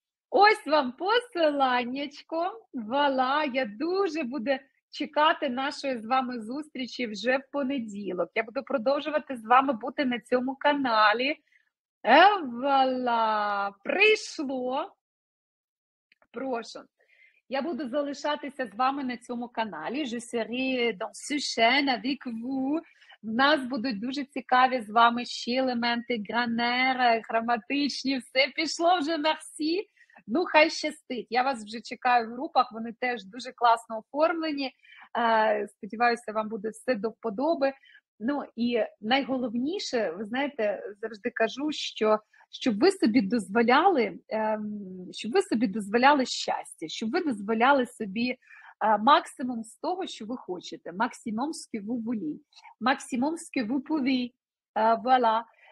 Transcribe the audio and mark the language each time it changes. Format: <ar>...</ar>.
<uk>Ось вам посиланнячко. Вала, я дуже буду чекати нашої з вами зустрічі вже в понеділок. Я буду продовжувати з вами бути на цьому каналі. Вала, прийшло. Прошу. Я буду залишатися з вами на цьому каналі.</uk> <fr>Je serai dans ce chaîne avec vous.</fr> <uk>В нас будуть дуже цікаві з вами ще елементи, гранер, граматичні, все пішло вже, мерсі. Ну, хай щастить. Я вас вже чекаю в групах, вони теж дуже класно оформлені. Сподіваюся, вам буде все до вподоби. Ну, і найголовніше, ви знаєте, завжди кажу, що щоб ви собі дозволяли щастя, щоб ви дозволяли собі максимум з того, що ви хочете, максимум з ківу волі, максимум з ківу пові, вуаля.</uk>